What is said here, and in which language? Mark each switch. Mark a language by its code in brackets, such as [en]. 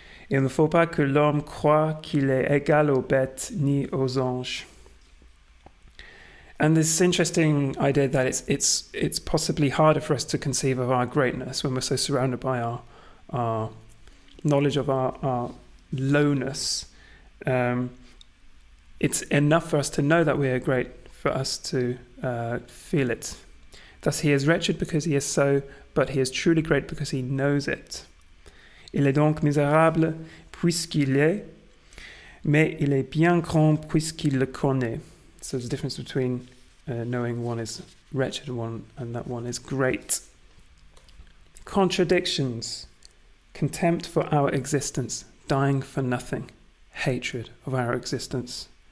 [fr] Il ne faut pas que l'homme croit qu'il est égal aux bêtes ni aux anges. [en] And this interesting idea that it's possibly harder for us to conceive of our greatness when we're so surrounded by our knowledge of our lowness. It's enough for us to know that we are great for us to feel it. Thus he is wretched because he is so, but he is truly great because he knows it. [fr] Il est donc misérable puisqu'il est, mais il est bien grand puisqu'il le connaît. [en] So there's a difference between knowing one is wretched and that one is great. Contradictions. Contempt for our existence. Dying for nothing. Hatred of our existence.